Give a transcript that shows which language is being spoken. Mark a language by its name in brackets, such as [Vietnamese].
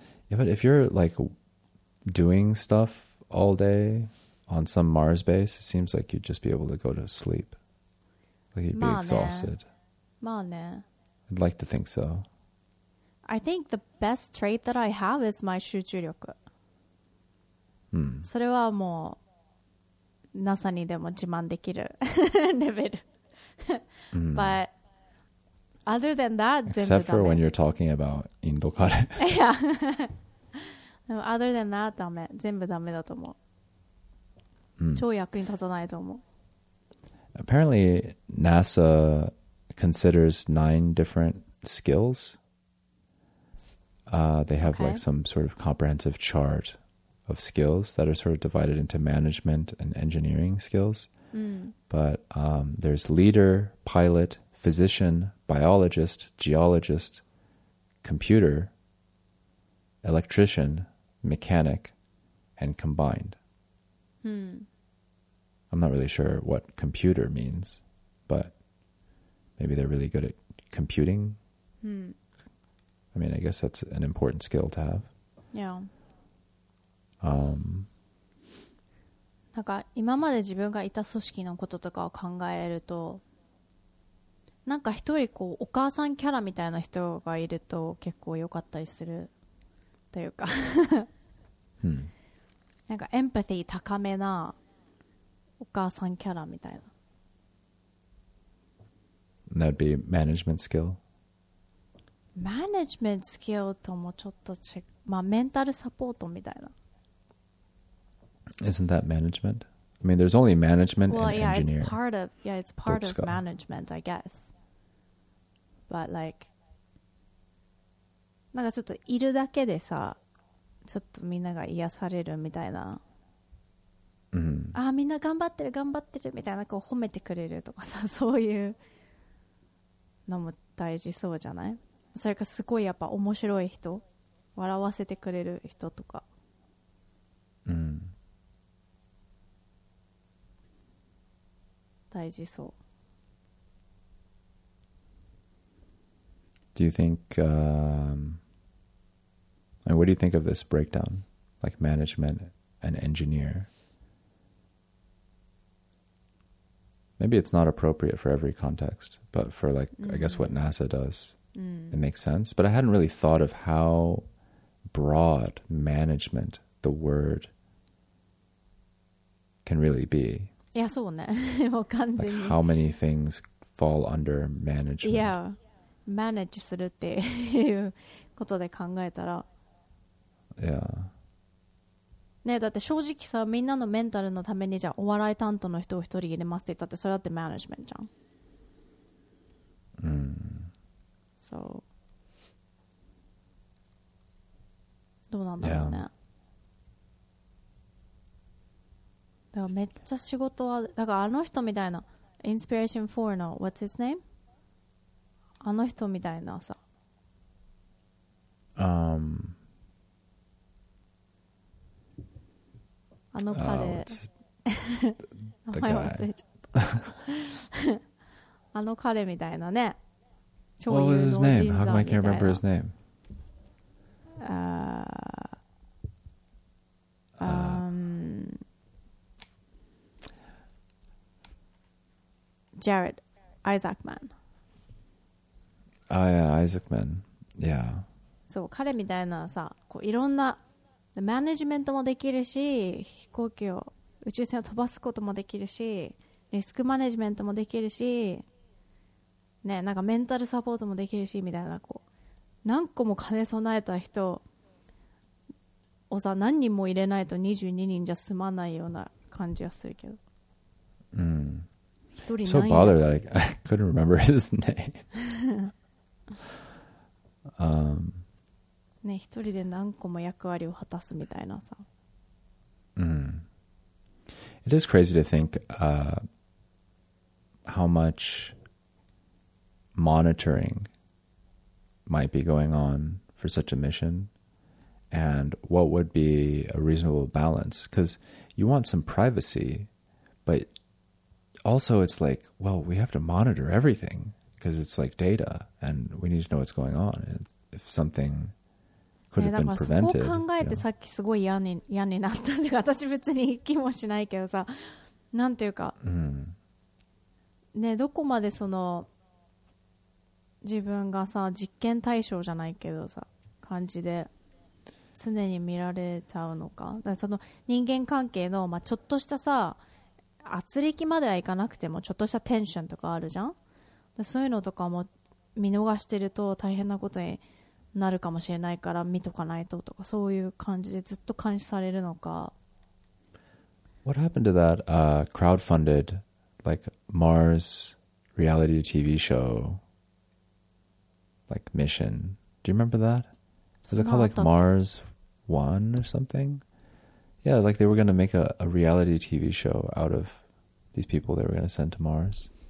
[English] Yeah, but if you're like doing stuff all day on some Mars base, it seems like you'd just be able to go to sleep. Like you'd be exhausted. [Japanese] まあね。 [English] I'd like to think so. I think the best trait that I have is my [Japanese] 集中力。それはもう NASA にでも自慢できるレベル。 [English] But other than that, [Japanese] 全部ダメ。 [English] Except for when you're talking about [Japanese] インドカレー。いや。 [English] Other than that, [Japanese] ダメ。全部ダメだと思う。超役に立たないと思う。 [English] Apparently, NASA considers 9 different skills. They have like some sort of comprehensive chart of skills that are sort of divided into management and engineering skills. But there's leader, pilot, physician, biologist, geologist, computer, electrician, mechanic, and combined. I'm not really sure what computer means, but maybe they're really good at computing. I mean, I guess that's an important skill to have. Yeah. [Japanese] なんか今まで自分がいた組織のこととかを考えるとなんか一人こうお母さんキャラみたいな人がいると結構良かったりするというか hmm. なんかエンパシー高めなお母さんキャラみたいな [English] That'd be management skill? Management skill [Japanese] ともちょっと違う、まあ、メンタルサポートみたいな [English] Isn't that management? I mean, there's only management well, and engineer. Well, yeah, it's part of management, I guess. But like, [Japanese] なんかちょっといるだけでさ、ちょっとみんなが癒されるみたいな。 Mm-hmm. ああ、みんな頑張ってる、頑張ってるみたいな、こう褒めてくれるとかさ、そういうのも大事そうじゃない？それかすごいやっぱ面白い人、笑わせてくれる人とか。うん。大事そう。 [English] Do you think, and what do you think of this breakdown, like management and engineer? Maybe it's not appropriate for every context, but for like, mm-hmm. I guess what NASA does, mm. it makes sense. But I hadn't really thought of how broad management, the word, can really be. [Japanese] いやそうね、もう完全に。 [English] Like、how many things fall under management? Yeah, manage [Japanese] するっていうことで考えたら、 [English] yeah. [Japanese] ねだって正直さみんなのメンタルのためにじゃお笑い担当の人を一人入れますって言ったってそれだってマネジメントじゃん。うん。そう。どうなんだろうね。 [English] Yeah. [Japanese] だからめっちゃ仕事はだからあの人みたいなインスピレーション4の [English] What's his name? [Japanese] あの人みたいなさ、あの彼、名前忘れちゃったあの彼みたいなね超有能人材みたいな [English] What was his name? How come I can't remember his name? Jared Isaacman. Ah, yeah, Isaacman. Yeah. [Japanese] そう、彼みたいなさ、こういろんなマネジメントもできるし、飛行機を宇宙船を飛ばすこともできるし、リスクマネジメントもできるし、ね、なんかメンタルサポートもできるしみたいなこう何個も兼ね備えた人をさ何人も入れないと22人じゃ済まないような感じはするけど。うん。 [English] I'm so bothered that I couldn't remember his name. [Japanese] ね、一人で何個も役割を果たすみたいなさ。 [English] It is crazy to think how much monitoring might be going on for such a mission and what would be a reasonable balance. Because you want some privacy, but... Also, it's like, well, we have to monitor everything because it's like data and we need to know what's going on. If something could have been prevented. [Japanese] そこを考えてさっきすごい嫌になったんだけど、私別に行きもしないけどさ、なんていうか、ね、どこまでその自分がさ、実験対象じゃないけどさ、感じで常に見られちゃうのか。だからその人間関係の、まあ、ちょっとしたさ、圧力まではいかなくてもちょっとしたテンションとかあるじゃん。でそういうのとかも見逃してると大変なことになるかもしれないから見とかないととかそういう感じでずっと監視されるのか。 [English] What happened to that crowdfunded like Mars reality TV show like mission? Do you remember that? Was it called like Mars One or something? Yeah, like they were going to make a reality TV show out of these people they were going to send to Mars.